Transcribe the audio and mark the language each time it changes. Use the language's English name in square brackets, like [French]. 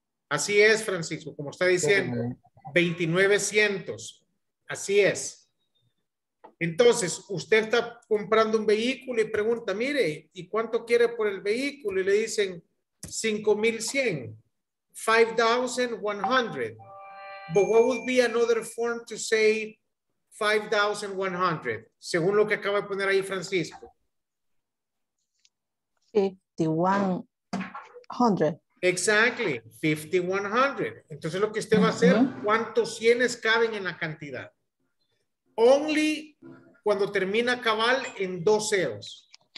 [Spanish] Así es, Francisco, como está diciendo, 2,900. Así es. Entonces, usted está comprando un vehículo y pregunta, mire, ¿y cuánto quiere por el vehículo? Y le dicen 5,100. [English] But what would be another form to say 5,100? [Spanish] Según lo que acaba de poner ahí Francisco. 5,100. [English] Exactly, 5,100. [Spanish] Entonces, lo que usted va a hacer, ¿cuántos cienes caben en la cantidad? Only cuando termina cabal en dos ceros.